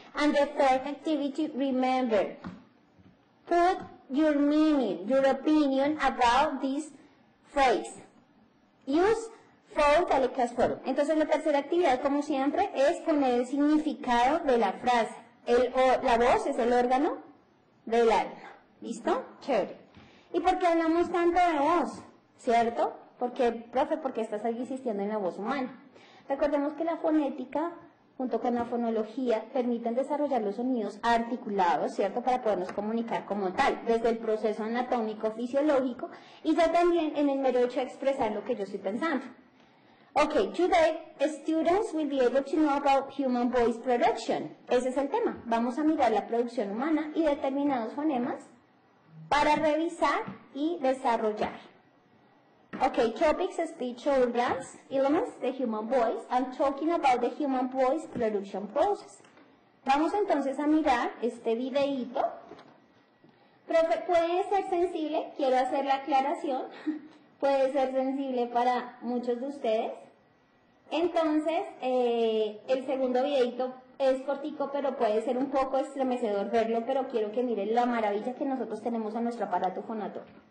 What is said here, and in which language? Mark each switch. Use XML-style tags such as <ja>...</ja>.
<en>And the third activity, remember, put your meaning, your opinion about this phrase. Use for</en> <es>tal y cual forma. Entonces, la tercera actividad, como siempre, es poner el significado de la frase. La voz es el órgano del alma. ¿Listo? Chévere. ¿Y por qué hablamos tanto de voz? ¿Cierto? Porque, profe, porque estás ahí insistiendo en la voz humana. Recordemos que la fonética, junto con la fonología, permiten desarrollar los sonidos articulados, ¿cierto?, para podernos comunicar como tal, desde el proceso anatómico, fisiológico, y ya también en el mero hecho de expresar lo que yo estoy pensando.</es> <en>Ok, today, students will be able to know about human voice production.</en> <es>Ese es el tema. Vamos a mirar la producción humana y determinados fonemas para revisar y desarrollar.</es> <en>Okay, topics, speech, organs, elements, the human voice. I'm talking about the human voice production process.</en> <es>Vamos entonces a mirar este videíto. Profe, puede ser sensible, quiero hacer la aclaración. Puede ser sensible para muchos de ustedes. Entonces, el segundo videíto es cortico, pero puede ser un poco estremecedor verlo, pero quiero que miren la maravilla que nosotros tenemos en nuestro aparato fonador.</es>